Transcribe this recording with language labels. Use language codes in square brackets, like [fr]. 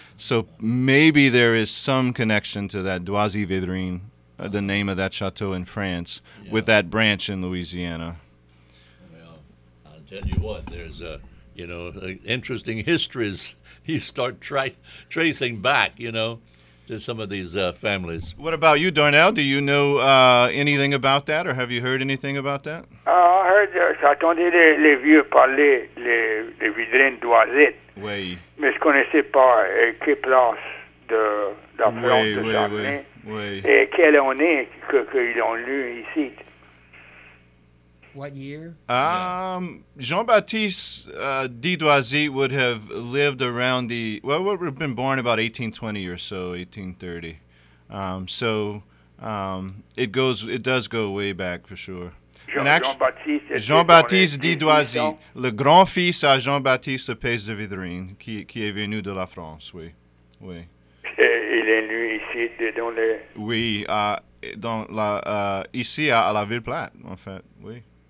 [en] So maybe there is some connection to that d'Oisy-Védrine, the name of that chateau in France, with that branch in Louisiana. Well, I'll tell you what, there's, you know, interesting histories you start tracing back, you know, to some of these families. What about you, Darnell? Do you know anything about that, or have you heard anything about that? I heard [fr] j'attendais les vieux parler les vidrines d'Oisette. Oui. Mais je connaissais pas quelle place de la France de Chardonnay. Oui. Et quelle année que ils ont lu ici? [en] What year? Jean-Baptiste Didoisy would have lived around the, would have been born about 1820 or so, 1830. It does go way back for sure. [fr] Jean-Baptiste Didoisy, le grand fils à Jean-Baptiste Lepage de Vidrine, qui est venu de la France, oui. Oui. Il est né ici, dans le... Oui, dans la, ici à la Ville Plate, en fait, oui.